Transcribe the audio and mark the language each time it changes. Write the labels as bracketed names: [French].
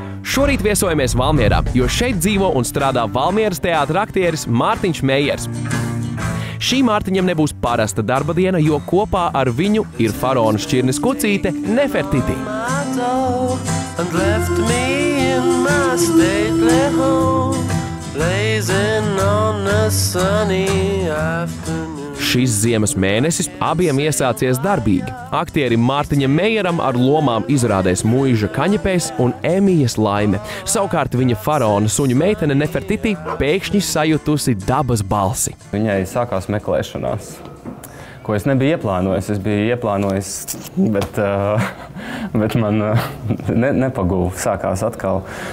[Latvian] Šorīt viesojamies Valmierā, jo šeit dzīvo un strādā Valmieras teātra aktieris Mārtiņš Meijers. Šī Mārtiņam nebūs parasta darba diena, jo kopā ar viņu ir faraona šķirnes kucīte Nefertiti. [English] And left me in my stately home, blazing on a sunny afternoon. [Latvian] Šis ziemas mēnesis abiem iesācies darbīgi. Aktieri Mārtiņa Meijeram ar lomām izrādēs Muiža Kaņepēs un Emijas Laime. Savukārt viņa faraona suņu meitene Nefertiti pēkšņi sajutusi dabas balsi. Viņai sākās meklēšanās. Ko es nebiju ieplānojis, bet man nepaguva, sākās atkal.